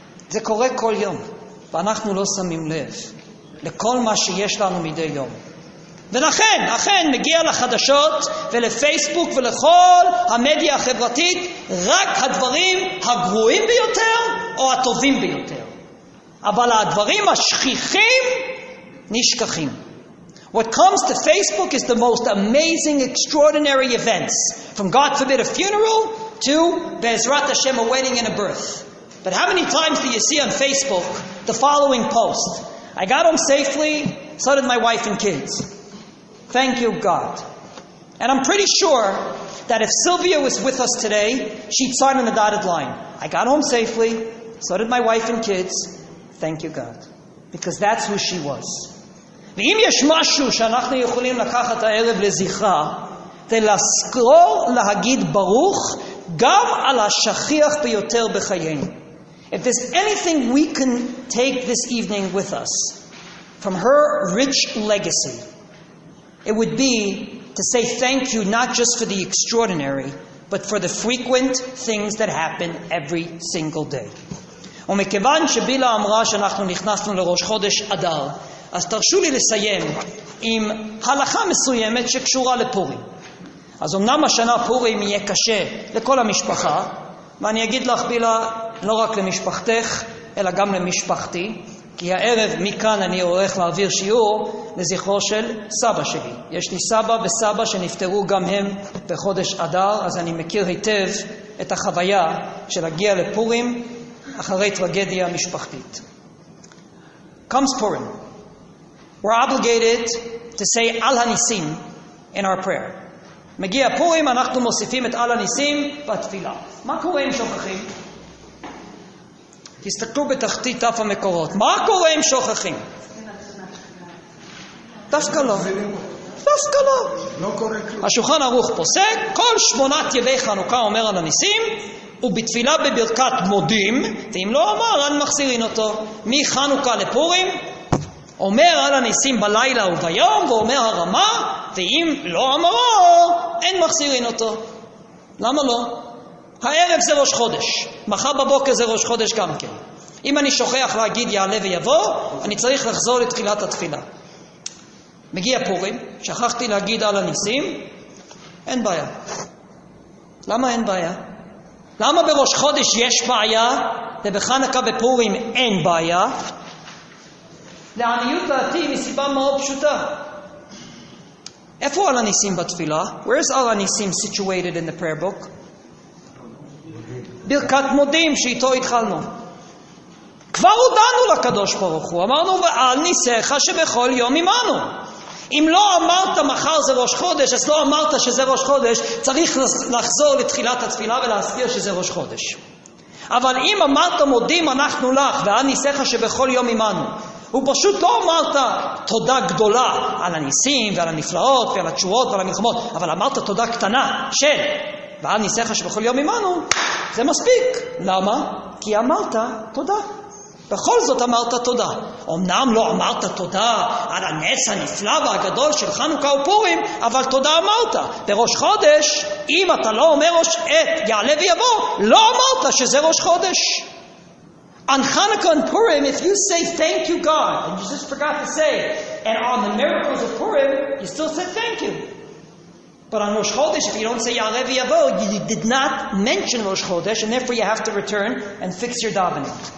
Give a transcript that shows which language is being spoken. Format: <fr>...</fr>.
<he>זה קורה כל יום, ואנחנו לא שמים לב לכל מה שיש לנו מדי יום. ולכן, אכן, מגיע לחדשות ולפייסבוק ולכל המדיה החברתית רק הדברים הגרועים ביותר או הטובים ביותר. אבל הדברים השכיחים נשכחים.</he> <en>What comes to Facebook is the most amazing, extraordinary events. From God forbid a funeral to</en> <he>Be'ezrat Hashem</he> <en>a wedding and a birth. But how many times do you see on Facebook the following post? I got home safely, so did my wife and kids. Thank you, God. And I'm pretty sure that if Sylvia was with us today, she'd sign on the dotted line. I got home safely, so did my wife and kids. Thank you, God. Because that's who she was.</en> <he>ואם יש משהו שאנחנו יכולים לקחת הערב לזכרה, זה לזכור להגיד ברוך גם על השכיח ביותר בחיינו.</he> <en>If there's anything we can take this evening with us from her rich legacy, it would be to say thank you not just for the extraordinary, but for the frequent things that happen every single day.</en> <he>ומכיוון שבילה אמרה שאנחנו נכנסנו לראש חודש אדר, אז תרשו לי לסיים עם הלכה מסוימת שקשורה לפורים. אז אמנם השנה פורים יהיה קשה לכל המשפחה, ואני אגיד לך בילה, לא רק למשפחתך, אלא גם למשפחתי, כי הערב מכאן אני עורך להעביר שיעור לזכרו של סבא שלי. יש לי סבא וסבא שנפטרו גם הם בחודש אדר, אז אני מכיר היטב את החוויה של להגיע לפורים אחרי טרגדיה משפחתית.</he> <en>Comes Purim. We're obligated to say Al HaNisim in our prayer.</en> <he>מגיע פורים, אנחנו מוסיפים את Al HaNisim בתפילה. מה קורה אם שוכחים? תסתכלו בתחתית תף המקורות. מה קורה אם שוכחים? דווקא לא. דווקא לא. לא קורה כלום. השולחן ערוך פוסק, כל שמונת ימי חנוכה אומר על הניסים, ובתפילה בברכת מודים, ואם לא אמר, אני מחזירים אותו. מחנוכה לפורים, אומר על הניסים בלילה וביום, ואומר הרמה, ואם לא אמרו, אין מחזירים אותו. למה לא? הערב זה ראש חודש, מחר בבוקר זה ראש חודש גם כן. אם אני שוכח להגיד יעלה ויבוא, אני צריך לחזור לתחילת התפילה. מגיע פורים, שכחתי להגיד על הניסים, אין בעיה. למה אין בעיה? למה בראש חודש יש בעיה, ובחנוכה בפורים אין בעיה? לעניות דעתי מסיבה מאוד פשוטה. איפה על הניסים בתפילה?</he> <en>Where is על הניסים situated in the prayer book?</en> <he>ברכת מודים שאיתו התחלנו. כבר הודענו לקדוש ברוך הוא, אמרנו, ועל ניסיך שבכל יום עמנו. אם לא אמרת מחר זה ראש חודש, אז לא אמרת שזה ראש חודש, צריך לחזור לתחילת התפילה ולהזכיר שזה ראש חודש. אבל אם אמרת מודים אנחנו לך, ועל ניסיך שבכל יום עמנו, הוא פשוט לא אמרת תודה גדולה על הניסים ועל הנפלאות ועל התשועות ועל המלחמות, אבל אמרת תודה קטנה של... ועל ניסיך שבכל יום עמנו, זה מספיק. למה? כי אמרת תודה. בכל זאת אמרת תודה. אמנם לא אמרת תודה על הנס הנפלא והגדול של חנוכה ופורים, אבל תודה אמרת. בראש חודש, אם אתה לא אומר ראש עת, יעלה ויבוא, לא אמרת שזה ראש חודש.</he> <en>On Hanukkah and Purim, if you say thank you God, and you just forgot to say, and on the miracles of Purim, you still said thank you. But on Rosh Chodesh, if you don't say Ya'aleh V'yavo, you did not mention Rosh Chodesh, and therefore you have to return and fix your davening.</en>